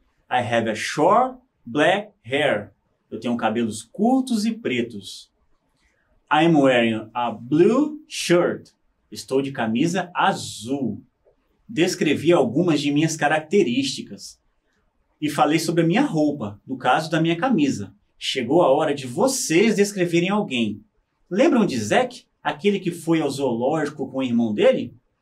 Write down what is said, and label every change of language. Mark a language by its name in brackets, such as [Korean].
[English] I have a short black hair. [Portuguese] Eu tenho cabelos curtos e pretos. [English] I am wearing a blue shirt. [Portuguese] Estou de camisa azul. Descrevi algumas de minhas características. e falei sobre a minha roupa, no caso da minha camisa. Chegou a hora de vocês descreverem alguém. Lembram de Zack, aquele que foi ao zoológico com o irmão dele?